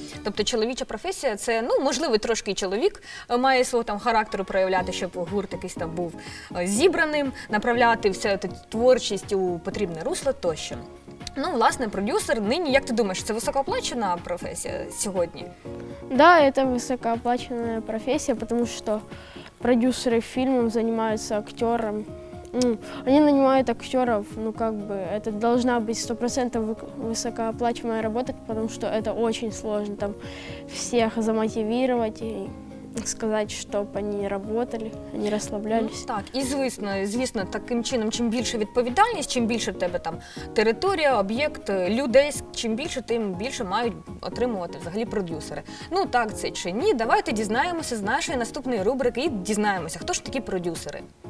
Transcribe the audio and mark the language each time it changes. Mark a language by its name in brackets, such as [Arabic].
[Ukrainian] Тобто чоловіча професія – це, ну, можливо, трошки чоловік має свого там характеру проявляти, щоб гурт якийсь там був зібраним, направляти всю цю творчість у потрібне русло тощо. Ну, власне, продюсер нині, як ти думаєш, це високооплачена професія сьогодні? [Russian] Да, это высокооплаченная профессия, потому что продюсеры фильмов занимаются актером. Ну, они нанимают актеров, ну как бы это должна быть 100% высокооплачиваемая работа, потому что это очень сложно там всех замотивировать и [Ukrainian] сказати, щоб вони працювали, вони розслаблялися. Ну, так, і звісно, звісно, таким чином, чим більше відповідальність, чим більше в тебе там територія, об'єкт, людей, чим більше, тим більше мають отримувати взагалі продюсери. Ну, так це чи ні, давайте дізнаємося з нашої наступної рубрики і дізнаємося, хто ж такі продюсери.